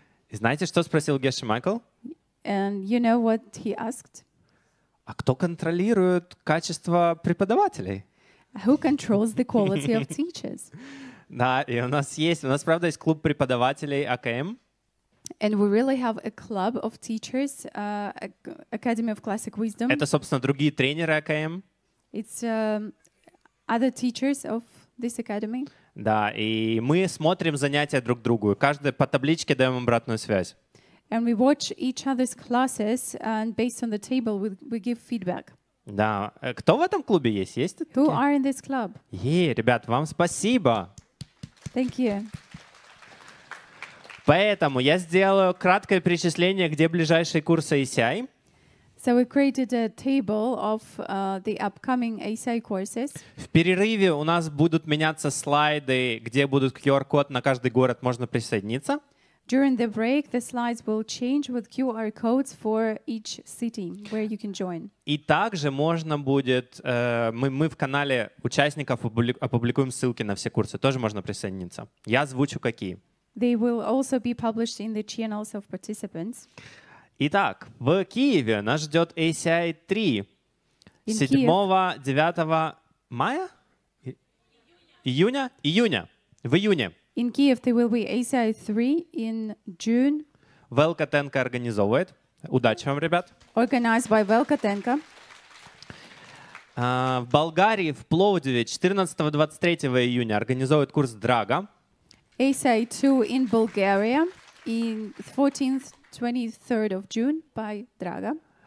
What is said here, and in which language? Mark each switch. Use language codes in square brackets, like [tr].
[ru] И знаете, что спросил Геше Майкл? [en] And you know what he asked? [ru] А кто контролирует качество преподавателей? [en] Who controls the quality of teachers? [ru] Да, и у нас есть. У нас, правда, есть клуб преподавателей АКМ. [en] And we really have a club of teachers, Academy of Classic Wisdom. [ru] Это, собственно, другие тренеры АКМ. [en] It's other teachers of this academy. [ru] Да, и мы смотрим занятия друг другу. Каждый по табличке даем обратную связь. [en] And we watch each other's classes, and based on the table, we give feedback. [ru] Да, кто в этом клубе есть? Есть такие? [en] Who are in this club? [ru] Ей, ребят, вам спасибо. [en] Thank you. [ru] Поэтому я сделаю краткое перечисление, где ближайшие курсы ACI. [en] So we created a table of the upcoming ACI courses. [ru] В перерыве у нас будут меняться слайды, где будут QR-код на каждый город, можно присоединиться. [en] During the break, the slides will change with QR codes for each city where you can join. [ru] И также можно будет, мы в канале участников опубликуем ссылки на все курсы, тоже можно присоединиться. Я озвучу какие. [en] They will also be published in the channels of participants. [ru] Итак, в Киеве нас ждет ACI 3 7-9 мая? Июня? В июне. [en] In Kyiv there will be ACI 3 in June. [ru] Велкотенко организовывает. Удачи вам, ребят. [en] Organized by Велкотенко. [ru] В Болгарии, в Пловдиве, 14-23 июня организовывают курс Драга. [en] ACI 2 in Bulgaria in 14th-23rd of June by Draga.